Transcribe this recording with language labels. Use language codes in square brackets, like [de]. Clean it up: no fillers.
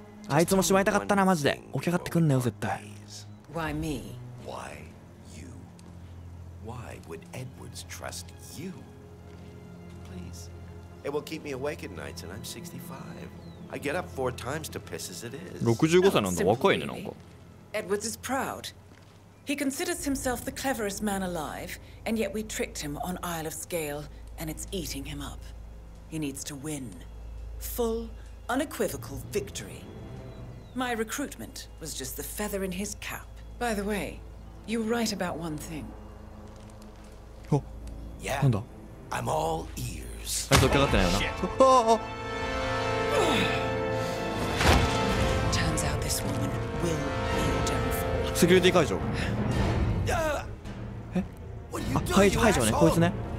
[ja] あいつもしまいたかったなマジで。起き上がってくんなよ絶対。 [en] Why me? Why you? Why would Edwards trust you? Please. It will keep me awake at nights and I'm 65. I get up four times to piss as it is. [ja] 65歳なんだ、若いね、なんか。 [en] Edwards is proud. He considers himself the cleverest man alive, and yet we tricked him on Isle of Scale, and it's eating him up. He needs to win. Full, unequivocal victory. My recruitment was just the feather in his cap. By the way, you were right about one thing. Oh, yeah. [ja] なんだ? [en] I'm all ears. [ja] あいつ起き上がってないよな。 [en] Turns out this woman will be a downfall. [ja] セキュリティ解除。え？あ、解除ね、こいつね。